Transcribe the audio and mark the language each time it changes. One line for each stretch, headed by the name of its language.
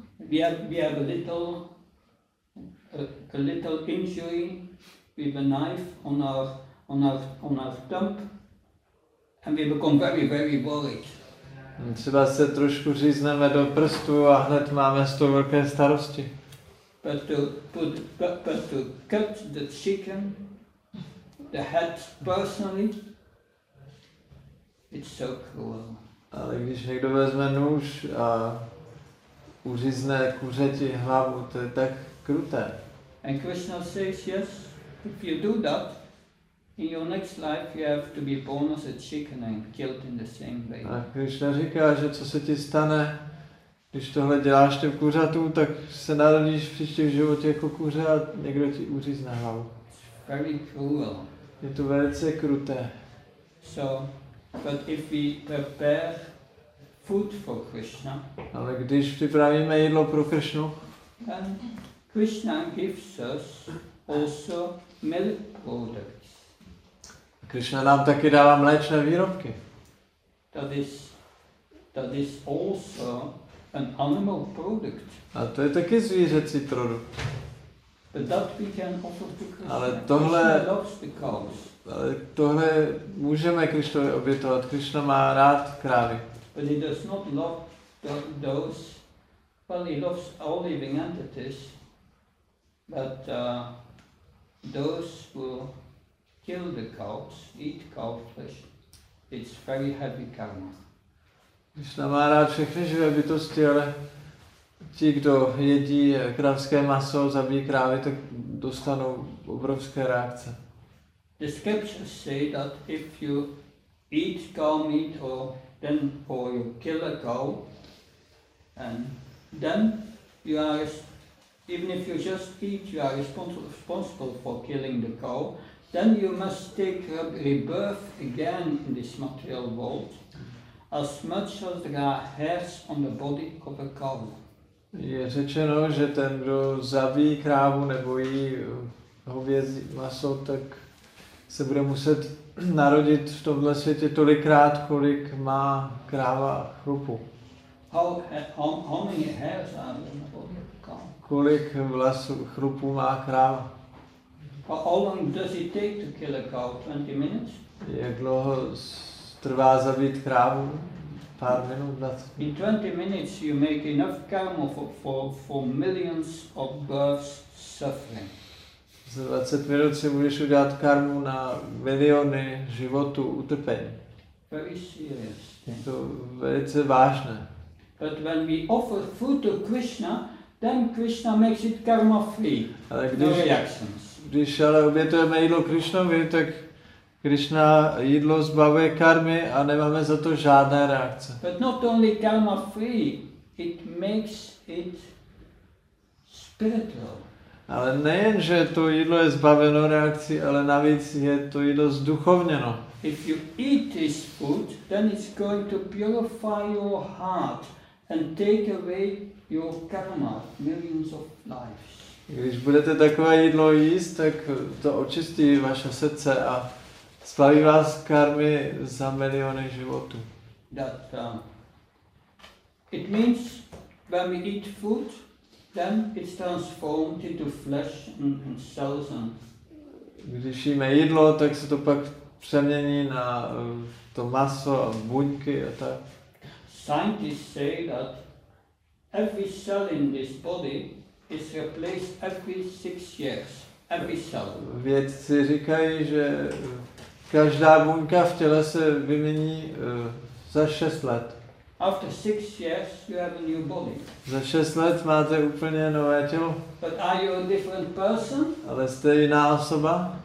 English: We have a little injury with a knife on our stump and we become very, very worried.
Czech: Třeba se trošku řízneme do prstu a hned máme z toho velké starosti.
English: But to cut the chicken, the head personally, it's so cruel.
Czech: Ale když někdo vezme nůž a uřízne kuřeti hlavu, to je tak kruté.
English: And Krishna says, yes, if you do that, in your next life you have to be born as a chicken and killed in the same way.
Czech: A Krishna říká, že co se ti stane, když tohle děláš těm kuřatů, tak se narodíš v příštích životě jako kuře a někdo ti uřízne hlavu.
English: It's very cruel.
Czech: Je to velice kruté.
English: So, but if we prepare food for Krishna,
Czech: ale když připravíme jídlo pro Krishnu,
English: then Krishna gives us also milk products.
Czech: Krishna nám taky dává mléčné výrobky.
English: that is also an animal product.
Czech: A to je taky zvířecí produkt.
English: But that we can offer to Krishna.
Czech: Ale tohle,
English: Krishna loves the cows.
Czech: Ale tohle můžeme Krishnovi obětovat. Krishna má rád krávy.
English: But he does not love those. Well, he loves all living entities, but those who kill the cows, eat cow flesh, it's very heavy karma.
Czech: Krishna má rád všechny živé bytosti, ale ti, kdo jedí krávské maso, zabijí krávy, tak dostanou obrovské reakce.
English: The scriptures say that if you eat cow meat or then or you kill a cow, and then you are, even if you just eat, you are responsible for killing the cow, then you must take a rebirth again in this material world, as much as there are hairs on the body of a cow.
Czech: Je řečeno, že ten, kdo zabíjí krávu nebo jí hovězí maso, tak se bude muset narodit v tomhle světě tolikrát, kolik má kráva chrupu.
English: How many hairs are on the body of a cow?
Czech: Kolik vlasů chrupu má kráva?
English: How long does it take to kill a cow? 20 minutes?
Czech: Jak dlouho trvá zabít krávu? Pár minut, 20 minut.
English: In 20 minutes you make enough karma for millions of births suffering.
Czech: Za 20 minut si můžeš udělat karmu na miliony životů utrpení.
English: Very serious.
Czech: To velice vážné.
English: But when we offer food to Krishna, then Krishna makes it karma free.
Czech: Ale když,
English: no reactions.
Czech: Když ale obětujeme jídlo Krishnovi, tak Krishna jídlo zbavuje karmy a nemáme za to žádné reakce.
English: But not only karma free, it makes it spiritual.
Czech: Ale nejen, že to jídlo je zbaveno reakcí, ale navíc je to jídlo zduchovněno.
English: If you eat this food, then it's going to purify your heart and take away your karma, millions of lives.
Czech: Když budete takové jídlo jíst, tak to očistí vaše srdce a zbaví vás karmy za miliony životů.
English: That it means when we eat food, then it's transformed into flesh and cells. And
Czech: když jíme jídlo, tak se to pak přemění na to maso a buňky a tak.
English: Scientists say that every cell in this body is replaced every 6 years. Every cell.
Czech: Vědci říkají, že každá buňka v těle se vymění za 6 let.
English: After 6 years, you have a new body.
Czech: Za 6 let máte úplně nové tělo.
English: But are you a different person?
Czech: Ale jste jiná osoba?